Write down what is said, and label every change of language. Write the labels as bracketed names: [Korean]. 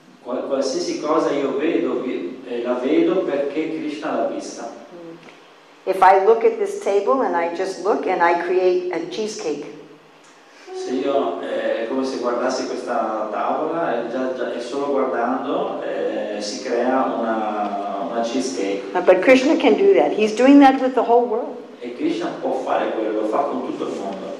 [Italian] Qualsiasi cosa io vedo, la vedo perché Krishna l'ha vista. [English] If I look at this table and I just look and I create a cheesecake. [Italian] Se io è come se guardassi questa tavola e già e solo guardando si crea una cheesecake. [English] But Krishna can do that. He's doing that with the whole world. [Italian] E Krishna può fare quello, lo fa con tutto il mondo.